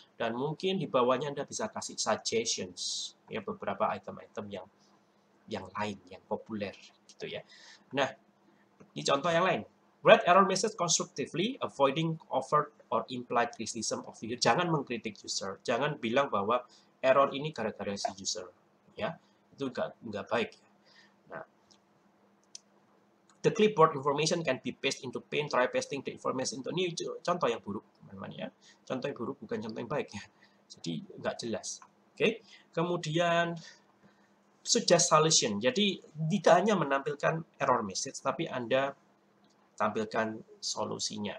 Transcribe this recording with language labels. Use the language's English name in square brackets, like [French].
[Indonesian] Dan mungkin di bawahnya Anda bisa kasih suggestions, ya, beberapa item-item yang lain, yang populer, gitu ya. Nah, di contoh yang lain, [English] read error message constructively, avoiding overt or implied criticism of user. [Indonesian] Jangan mengkritik user, jangan bilang bahwa error ini gara-gara si user, ya, itu nggak baik. [English] The clipboard information can be pasted into paint. Try pasting the information into new. [Indonesian] Contoh yang buruk, teman-teman, ya. Contoh yang buruk bukan contoh yang baik, ya. Jadi nggak jelas. Oke. Okay. [English] Kemudian suggest solution. [Indonesian] Jadi tidak hanya menampilkan error message, tapi Anda tampilkan solusinya.